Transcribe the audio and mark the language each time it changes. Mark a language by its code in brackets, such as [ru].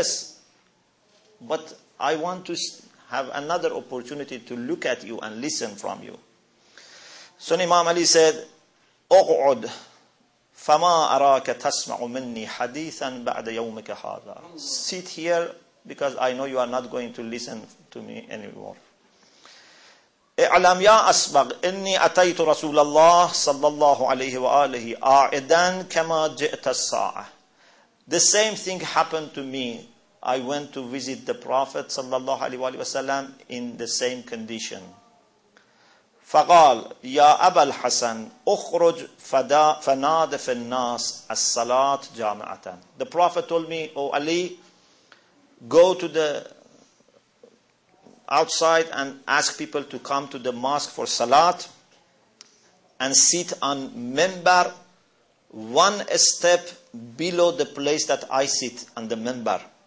[en] Yes, but I want to have another opportunity to look at you and listen from you. So Imam Ali said, [ar] أُقْعُدْ فَمَا أَرَاكَ تَسْمَعُ مِنِّي حَدِيثًا بَعْدَ يَوْمِكَ هَذَا. [en] Sit here because I know you are not going to listen to me anymore. [ar] اعلم يا أسبق إني أتيت رسول الله صلى الله عليه وآله آعدًا كما جئت الساعة. [en] The same thing happened to me. I went to visit the Prophet صلى الله عليه وآله وسلم in the same condition. [ar] فقال يا أبا الحسن أخرج فناد في الناس الصلاة جامعة. [en] The Prophet told me, O Ali, go to the outside and ask people to come to the mosque for Salat and sit on Minbar one step below the place that I sit on the Minbar.